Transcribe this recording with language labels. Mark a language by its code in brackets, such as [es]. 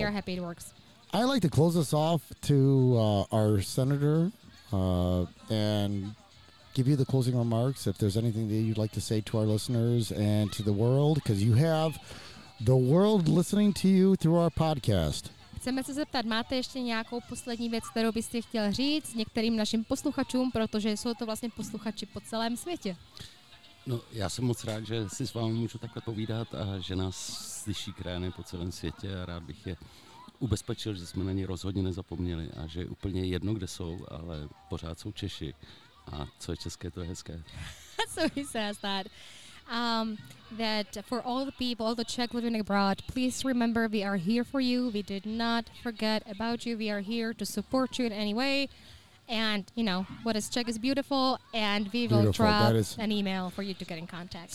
[en] We are happy it works. I'd like to close this off to our senator and give you the closing remarks, if there's anything that you'd like to say to our listeners and to the world, because you have the world listening to you through our podcast. [cs] Chceme se zeptat, máte ještě nějakou poslední věc, kterou byste chtěl říct některým našim posluchačům, protože jsou to vlastně posluchači po celém světě. No, já jsem moc rád, že si s vámi můžu takhle povídat a že nás slyší krajany po celém světě, a rád bych je ubezpečil, že jsme na ně rozhodně nezapomněli a že je úplně jedno, kde jsou, ale pořád jsou Češi. A co je české, to je hezké. [en] So he says that. That for all the people, all the Czech living abroad, please remember we are here for you. We did not forget about you. We are here to support you in any way. And, you know, what is Czech is beautiful, and we will beautiful. Drop an email for you to get in contact.